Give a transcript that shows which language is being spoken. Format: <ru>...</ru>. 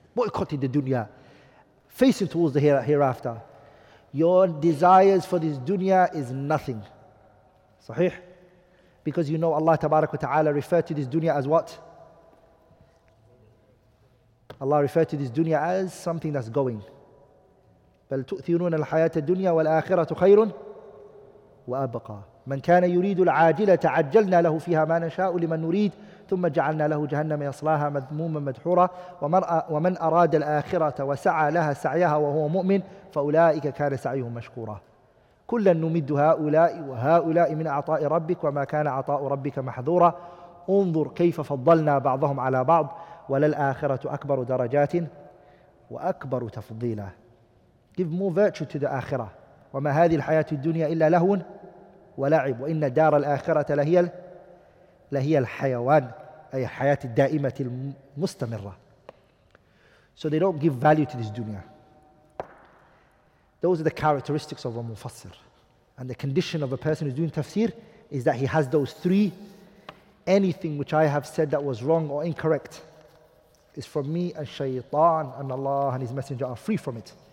<en>Boycotting the dunya, facing towards the hereafter. Your desires for this dunya is nothing. Sahih? Because you know Allah tabarak wa ta'ala referred to this dunya as what? Allah referred to this dunya as something that's going.</en> <ar>بَلْ تُؤْثِرُونَ الْحَيَاةَ الدُّنْيَا وَالْآخِرَةُ خَيْرٌ وَأَبْقَى مَنْ كَانَ يُرِيدُ الْعَاجِلَةَ عَجَّلْنَا لَهُ فِيهَا مَا نَشَاءُ لِمَنْ نُرِيدُ ثم جعلنا له جهنم يصلاها مذموما مدحورا ومن أراد الآخرة وسعى لها سعيها وهو مؤمن فأولئك كان سعيهم مشكورا كلا نمد هؤلاء وهؤلاء من عطاء ربك وما كان عطاء ربك محظورا انظر كيف فضلنا بعضهم على بعض وللآخرة أكبر درجات وأكبر تفضيلا.</ar> <en>Give more virtue to the آخرة.</en> <ar>وما هذه الحياة الدنيا إلا لهو ولعب وإن دار الآخرة لهي لهي الحيوان أي حياة الدائمة المستمرة.</ar> <en>So they don't give value to this dunya. Those are the characteristics of a mufassir. And the condition of a person who's doing tafsir is that he has those three. Anything which I have said that was wrong or incorrect is from me and shaytan, and Allah and His Messenger are free from it.</en>